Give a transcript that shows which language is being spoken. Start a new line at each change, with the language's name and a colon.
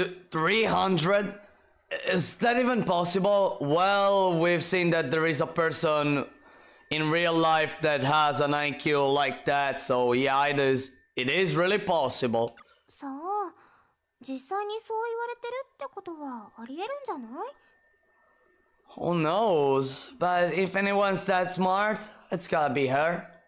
English: 300? Is that even possible? Well, we've seen that there is a person in real life that has an IQ like that, so yeah, it is really possible.
Japanese: So, 実際にそう言われてるってことはありえるんじゃない?
English: Who knows? But if anyone's that smart, it's gotta be her.